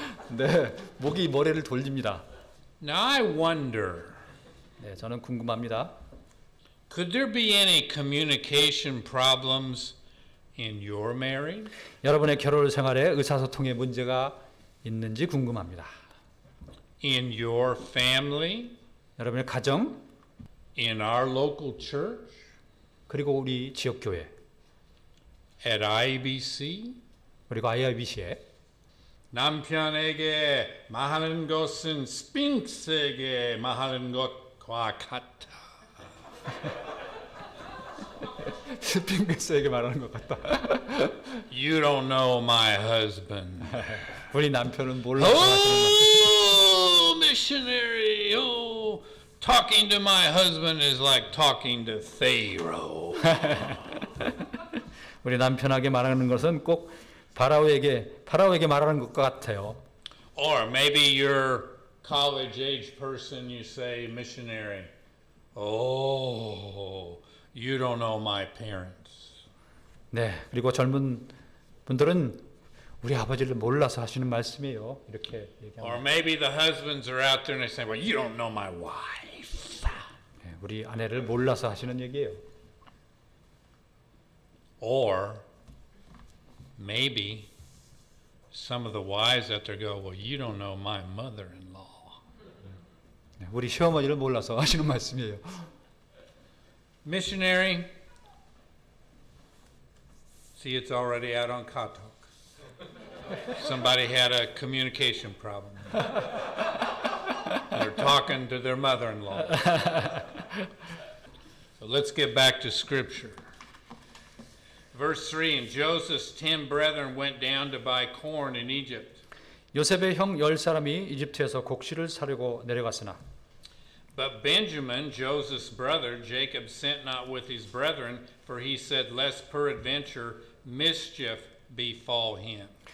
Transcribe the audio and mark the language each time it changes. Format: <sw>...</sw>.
<ko>네, 목이 머리를 돌립니다.</ko> <en>Now I wonder.</en> <ko>네, 저는 궁금합니다.</ko> <en>Could there be any communication problems in your marriage?</en> <ko>여러분의 결혼 생활에 의사소통에 문제가 있는지 궁금합니다.</ko> <en>In your family?</en> <ko>여러분의 가정?</ko> <en>In our local church?</en> <ko>그리고 우리 지역 교회?</ko> <en>At IBC,</en> <ko>그리고 IBC에 남편에게 말하는 것은 스핑크스에게 말하는 것과 같다. 스핑크스에게 말하는 것 같다.</ko> <en>You don't know my husband.</en> <ko>우리 남편은 몰라.</ko> <en>Oh, missionary! Oh, talking to my husband is like talking to Pharaoh.</en> <ko>우리 남편에게 말하는 것은 꼭 파라오에게 말하는 것 같아요.</ko> <en>Or maybe you're college-age person, you say missionary. Oh, you don't know my parents.</en> <ko>네, 그리고 젊은 분들은 우리 아버지를 몰라서 하시는 말씀이에요. 이렇게 얘기합니다.</ko> <en>Or maybe the husbands are out there and they say, well, you don't know my wife.</en> <ko>네, 우리 아내를 몰라서 하시는 얘기예요.</ko> <en>Or maybe some of the wives out there go, well, you don't know my mother-in-law.</en> <ko>우리 시어머니를 몰라서 하시는 말씀이에요.</ko> <en>Missionary, See, it's already out on Katok. Somebody had a communication problem. They're talking to their mother-in-law. So let's get back to scripture. Verse 3, and Joseph's 10 brethren went down to buy corn in Egypt.</en> <ko>요셉의 형 열 사람이 이집트에서 곡식을 사려고 내려갔으나.</ko> <en>But Benjamin, Joseph's brother, Jacob sent not with his brethren, for he said, lest peradventure mischief befall him.</en>